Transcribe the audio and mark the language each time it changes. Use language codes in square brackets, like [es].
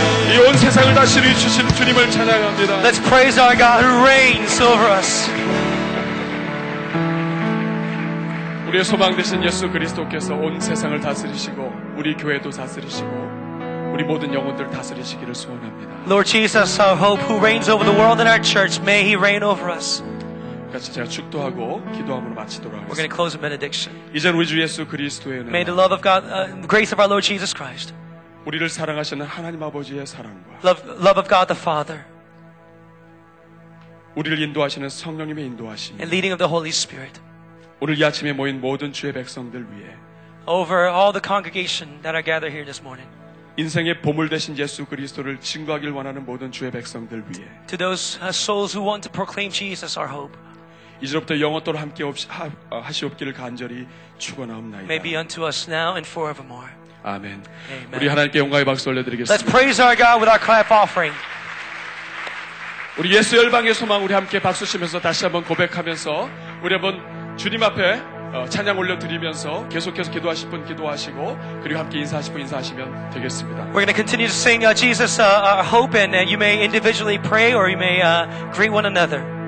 [en] Let's praise our God who reigns over us. [ko] 우리의 소망 되신 예수 그리스도께서 온 세상을 다스리시고 우리 교회도 다스리시고 우리 모든 영혼들 다스리시기를 소원합니다. [en] Lord Jesus, our hope, who reigns over the world and our church, may He reign over us. [ko] 같이 제가 축도하고 기도함으로 마치도록 하겠습니다. [en] We're going to close in benediction. [ko] 이젠 우리 주 예수 그리스도의 은혜. [en] May the love of God, grace of our Lord Jesus Christ. [ko] 우리를 사랑하시는 하나님 아버지의 사랑과 [en] love of God the Father [ko] 우리를 인도하시는 성령님의 인도하심 [en] and leading of the Holy Spirit [ko] 오늘 이 아침에 모인 모든 주의 백성들 위해 [en] over all the congregation that are gathered here this morning [ko] 인생의 보물 되신 예수 그리스도를 증거하길 원하는 모든 주의 백성들 위해. [en] To those souls who want to proclaim Jesus our hope. [ko] 이제부터 영원토록 함께 하시옵기를 간절히 축원하옵나이다. [en] May be unto us now and forevermore. [ko] 아멘. 우리 하나님께 영광의 박수 올려드리겠습니다. [en] Let's praise our God with our clap offering. [ko] 우리 예수 열방의 소망 우리 함께 박수 치면서 다시 한번 고백하면서 우리 한번 주님 앞에 찬양 올려드리면서 계속해서 기도하실 분 기도하시고 그리고 함께 인사하실 분 인사하시면 되겠습니다. [en] We're going to continue to sing Jesus our hope and you may individually pray or you may greet one another.